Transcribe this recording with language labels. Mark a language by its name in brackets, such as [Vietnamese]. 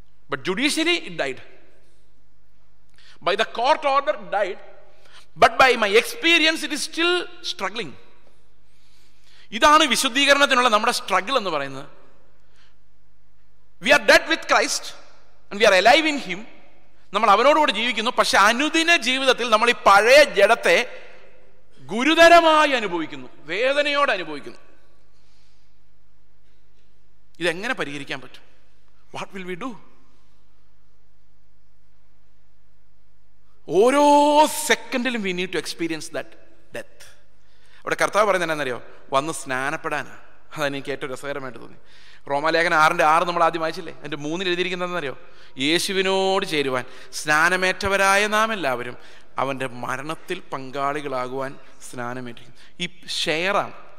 [English] But judicially it died, by the court order died, but by my experience it is still struggling. [Malayalam] ഇതാണ് വിശുദ്ധീകരണത്തിനുള്ള നമ്മുടെ struggle എന്ന് പറയുന്നത്. [English] We are dead with Christ and we are alive in him. [Malayalam] നമ്മൾ അവനോടുകൂടി ജീവിക്കുന്നു, പക്ഷെ അനുദിന ജീവിതത്തിൽ നമ്മൾ ഈ പഴയ ജഡത്തെ ഗുരുതരമായി അനുഭവിക്കുന്നു, വേദനയോടെ അനുഭവിക്കുന്നു. ഇതെങ്ങനെ പരിഹരിക്കാൻ പറ്റും? [English] What will we do? [Malayalam] ഓരോ സെക്കൻഡിലും [English] we need to experience that death. [Malayalam] അവിടെ കർത്താവ് പറയുന്നത് എന്താണെന്നറിയോ? വന്ന് സ്നാനപ്പെടാനാണ്. അതാണ് എനിക്ക് ഏറ്റവും രസകരമായിട്ട് തോന്നി. റോമാലേഖന 6:6 നമ്മൾ ആദ്യം വായിച്ചില്ലേ? എൻ്റെ 3 എഴുതിയിരിക്കുന്നതെന്നറിയോ? യേശുവിനോട് ചേരുവാൻ സ്നാനമേറ്റവരായ നാം എല്ലാവരും അവൻ്റെ മരണത്തിൽ പങ്കാളികളാകുവാൻ സ്നാനമേറ്റിരിക്കുന്നു. ഈ ഷെയറാണ്.